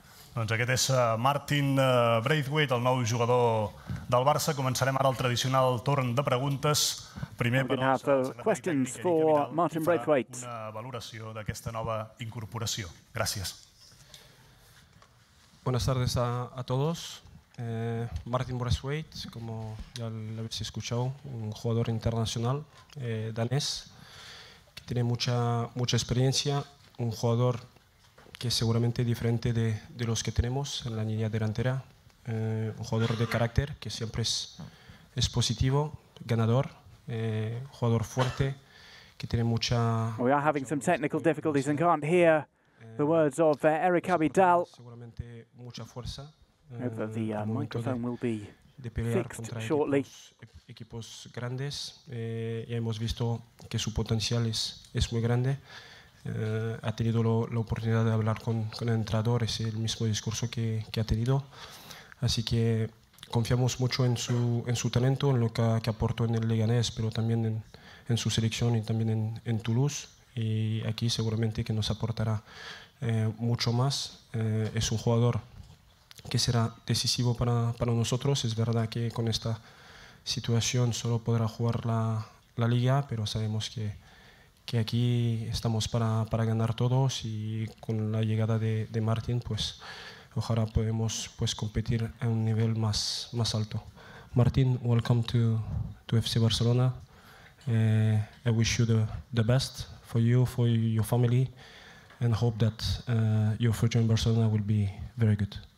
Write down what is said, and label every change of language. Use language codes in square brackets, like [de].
[ca] Doncs aquest és Martin Braithwaite, el nou jugador del Barça. Començarem ara el tradicional torn de preguntes. Primer per [en] als questions for Martin Braithwaite. [ca] Una valoració d'aquesta nova incorporació. Gràcies. [es] Buenas tardes a todos. Martin Braithwaite, como ya lo habéis escuchado, un jugador internacional danés que tiene mucha experiencia, un jugador que es seguramente diferente de los que tenemos en la línea delantera. Un jugador de carácter que siempre es positivo, ganador, un jugador fuerte, que tiene mucha... [en] We are having some technical difficulties and can't hear the words of Eric Abidal. [es] Seguramente mucha fuerza. [en] The microphone will be fixed shortly. [es] Equipos grandes. Ya hemos visto que su potencial es muy grande. Ha tenido la oportunidad de hablar con el entrenador, es el mismo discurso que ha tenido. Así que confiamos mucho en su talento, en lo que aportó en el Leganés, pero también en su selección y también en Toulouse. Y aquí seguramente que nos aportará mucho más. Es un jugador que será decisivo para nosotros. Es verdad que con esta situación solo podrá jugar la Liga, pero sabemos que aquí estamos para ganar todos y con la llegada de Martin, pues ojalá podemos competir a un nivel más alto. [en] Martin, welcome to FC Barcelona. I wish you the best for you, for your family, and hope that your future in Barcelona will be very good.